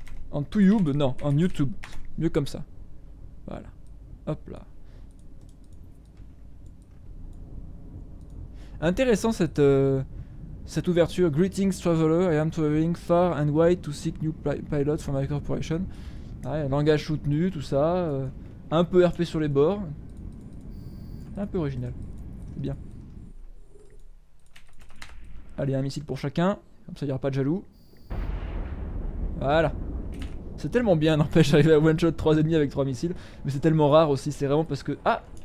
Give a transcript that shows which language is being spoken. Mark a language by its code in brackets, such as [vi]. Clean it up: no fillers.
[fr] En Touyoub? Non, en YouTube. Mieux comme ça. Voilà. Hop là. Intéressant cette ouverture. [en] Greetings traveler, I am traveling far and wide to seek new pilots for my corporation. [fr] Ouais, langage soutenu, tout ça. Un peu RP sur les bords. Un peu original. C'est bien. Allez, un missile pour chacun. Comme ça, il n'y aura pas de jaloux. Voilà. C'est tellement bien, n'empêche, d'arriver à one shot 3 ennemis avec 3 missiles. Mais c'est tellement rare aussi. C'est vraiment parce que. Ah!